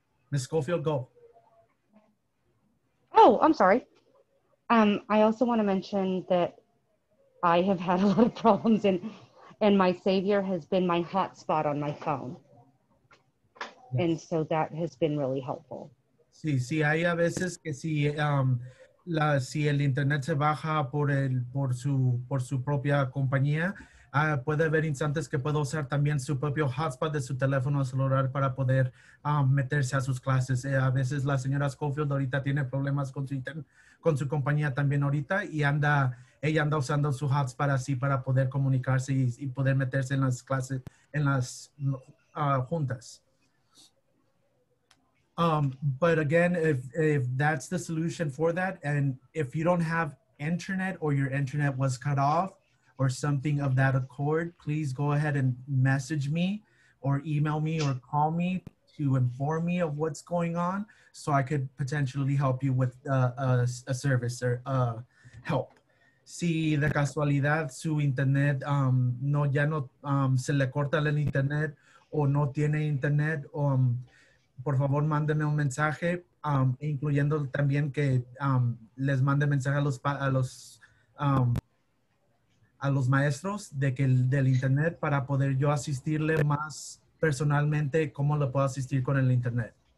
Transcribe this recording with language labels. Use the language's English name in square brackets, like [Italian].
[English] Ms. Schofield, go. Oh, I'm sorry. I also want to mention that I have had a lot of problems and my savior has been my hotspot on my phone. And so that has been really helpful. [Spanish] Sí, sí, hay a veces que si si el internet se baja por su propia compañía, puede haber instantes que puedo usar también su propio hotspot de su teléfono celular para poder meterse a sus clases. A veces la señora Schofield ahorita tiene problemas con su compañía también ahorita y ella anda usando su hotspot así para poder comunicarse y poder meterse en las clases, en las juntas. [English] But again, if that's the solution for that, and if you don't have internet or your internet was cut off or something of that accord, please go ahead and message me or email me or call me to inform me of what's going on so I could potentially help you with a service or help. [Spanish] Si de casualidad su internet se le corta el internet o no tiene internet, por favor, mándenme un mensaje, incluyendo también que les mande mensaje a los maestros del internet para poder yo asistirle más personalmente cómo le puedo asistir con el internet.